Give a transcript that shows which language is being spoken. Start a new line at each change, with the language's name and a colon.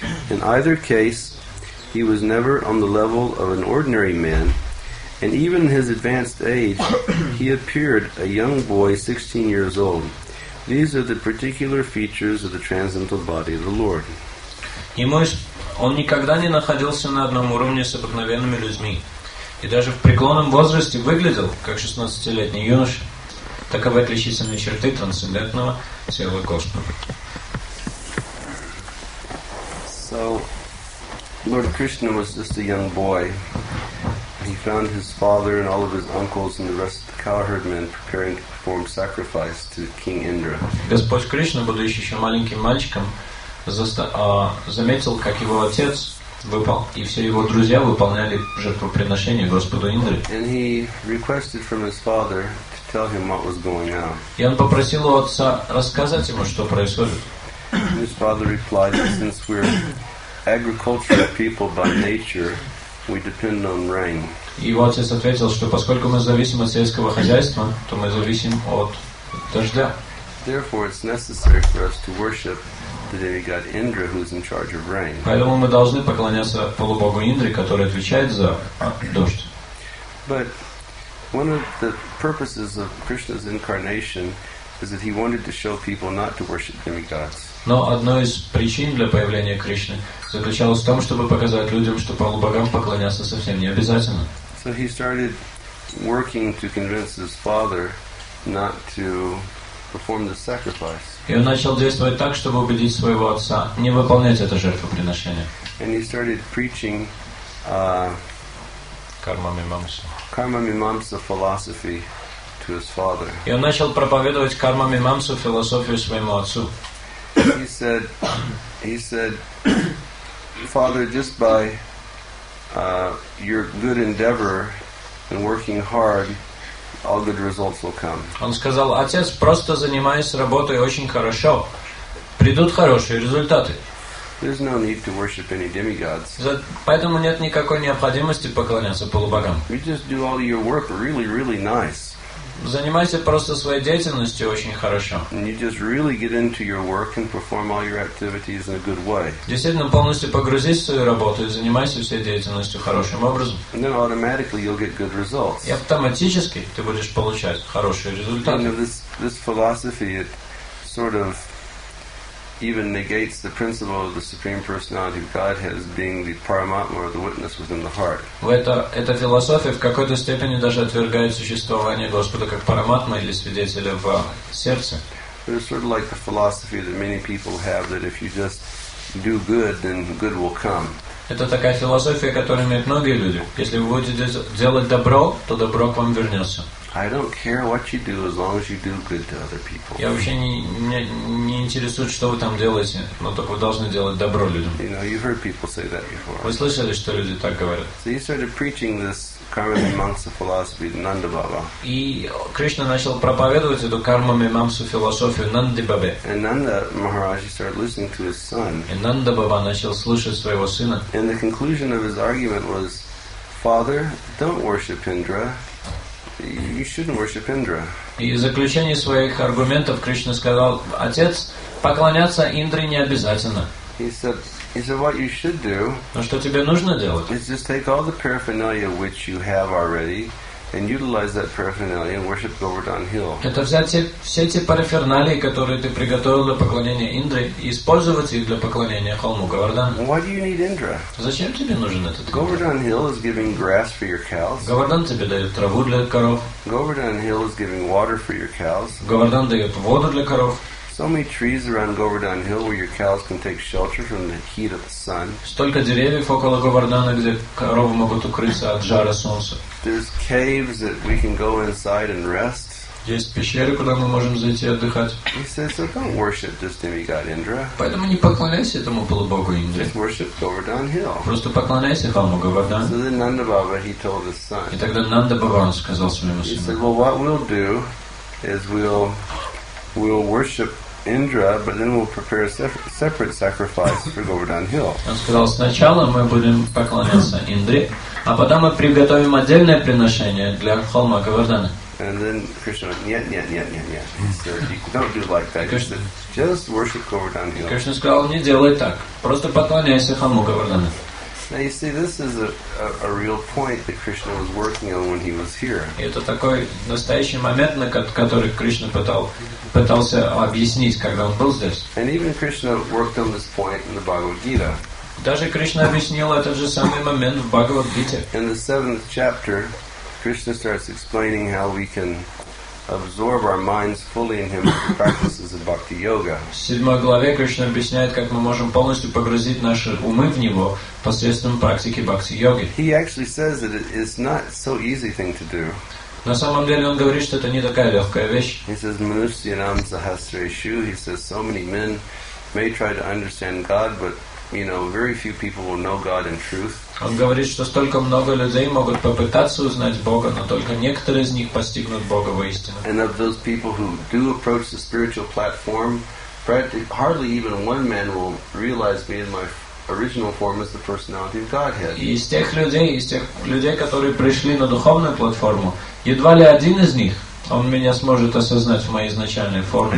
English: In either case, he was never on the level of an ordinary man, and even in his advanced age, he appeared a young boy 16 years old. These are the particular features of the transcendental body of the Lord.
Russian: Он никогда не находился на одном уровне с обыкновенными людьми. И даже в преклонном возрасте выглядел, как 16-летний юноша. Таковы отличительные черты трансцендентного тела Господа.
English: So, Lord Krishna was just a young boy. He found his father and all of his uncles and the rest of the cowherd men preparing to perform sacrifice to King Indra.
Russian: Господь Кришна, будучи еще маленьким мальчиком, заметил, как его отец и все его друзья выполняли жертвоприношение Господу Индре.
English: And he requested from his father to tell him what was going on.
Russian: И он попросил у отца рассказать ему, что происходит.
English: His father replied, since we're agricultural people by nature, we depend on rain.
Russian: Его отец ответил, что поскольку мы зависим от сельского хозяйства, то мы зависим от дождя.
English: Therefore, it's necessary for us to worship the demigod Indra, who is in charge of rain.
Russian: Поэтому мы должны поклоняться полубогу Индре, который отвечает за дождь.
English: But one of the purposes of Krishna's incarnation is that he wanted to show people not to worship demigods.
Russian: Но одной из причин для появления Кришны заключалось в том, чтобы показать людям, что полубогам поклоняться совсем не обязательно.
English: So he started working to convince his father not to perform the sacrifice.
Russian: И он начал действовать так, чтобы убедить своего отца не выполнять это жертвоприношение.
English: And he started preaching Karma Mimamsa philosophy to his father.
Russian: И он начал проповедовать Karma Mimamsa философию своему отцу.
English: He said, Father, just by your good endeavor and working hard, all good results will come.
Russian: Он сказал, отец, просто занимаясь работой очень хорошо, придут хорошие результаты.
English: There's no need to worship any demigods.
Russian: Поэтому нет никакой необходимости поклоняться полубогам.
English: You just do all your work really, really nice.
Russian: Занимайся просто своей деятельностью очень хорошо.
English: And you just really get into your work and perform all your activities in a good way.
Russian: Действительно полностью погрузись в свою работу и занимайся всей деятельностью хорошим образом.
English: And then automatically you'll get good results.
Russian: И автоматически ты будешь получать хорошие результаты.
English: And this philosophy, it sort of even negates the principle of the Supreme Personality of Godhead as being the Paramatma or the witness within the heart.
Russian: Эта философия в какой-то степени даже отвергает существование Господа как Параматма или свидетеля в сердце.
English: It's sort of like the philosophy that many people have that if you just do good, then good will come.
Russian: Это такая философия, которую имеют многие люди. Если вы будете делать добро, то добро к вам вернется.
English: I don't care what you do as long as you do good to other people.
Russian: Я вообще не интересует, что вы там делаете, но только вы должны делать добро людям.
English: You know, you've heard people say that before.
Russian: Вы слышали, что люди так говорят?
English: So he started preaching this Karma Mimamsa philosophy to Nanda Baba.
Russian: И Кришна начал проповедовать эту Karma Mimamsa философию Нанди Бабе.
English: And Nanda Maharaj started listening to his son.
Russian: И Нанда Баба начал слушать своего сына.
English: And the conclusion of his argument was, Father, don't worship Indra. You shouldn't worship Indra.
Russian: И в заключении своих аргументов Кришна сказал, отец, поклоняться Индре не обязательно.
English: He said, what you should do.
Russian: Но что тебе нужно делать?
English: Is just take all the paraphernalia which you have already and utilize that paraphernalia and worship Govardhan Hill.
Russian: Это взять все эти параферналии, которые ты приготовил для поклонения Индре, и использовать их для поклонения холму Говардан.
English: Why do you need Indra?
Russian: Зачем тебе нужен этот Индра?
English: Govardhan Hill is giving grass for your cows.
Russian: Говардан тебе дает траву для коров.
English: Govardhan Hill is giving water for your cows.
Russian: Говардан дает воду для коров.
English: So many trees around Govardhan Hill where your cows can take shelter from the heat of the sun.
Russian: Столько деревьев около Говардана, где коровы могут укрыться от жара солнца.
English: There's caves that we can go inside and rest.
Russian: Есть пещеры, куда мы можем зайти отдыхать.
English: He says, so don't worship this demigod Indra.
Russian: Поэтому не поклоняйся этому полубогу Индре.
English: Just worship Govardhan Hill.
Russian: Просто поклоняйся холму Говардан.
English: So then Nanda Baba, he told his son.
Russian: И тогда Нанда Баба сказал своему сыну.
English: He said, well, what we'll do is we'll worship Indra, but then we'll prepare a separate sacrifice for Govardhan Hill.
Russian: Он сказал, сначала мы будем поклоняться Индре, а потом мы приготовим отдельное приношение для холма Говардана.
English: And then Krishna went,
Russian: нет.
English: Don't do like that. Just worship Govardhan Hill.
Russian: Кришна сказал, не делай так. Просто поклоняйся холму Говардана.
English: Now you see, this is a real point that Krishna was working on when he was here.
Russian: Это такой настоящий момент, на который Кришна пытался объяснить, когда он был здесь.
English: And even Krishna worked on this point in the Bhagavad Gita.
Russian: Даже Кришна объяснил этот же самый момент в Бхагавад Гите.
English: In the 7th chapter, Krishna starts explaining how we can absorb our minds fully in him through practices of bhakti yoga.
Russian: В 7 главе Кришна объясняет, как мы можем полностью погрузить наши умы в него посредством практики бхакти йоги.
English: He actually says that it is not so easy thing to do.
Russian: На самом деле он говорит, что это не такая легкая вещь.
English: He says
Sanskrit: manusyanam sahasreshu.
English: He says so many men may try to understand God, but you know, very few people will know God in truth.
Russian: Он говорит, что столько много людей могут попытаться узнать Бога, но только некоторые из них постигнут Бога воистину.
English: And of those people who do approach the spiritual platform, hardly even one man will realize me in my original form as the personality of Godhead.
Russian: И из тех людей, которые пришли на духовную платформу, едва ли один из них он меня сможет осознать в моей изначальной форме.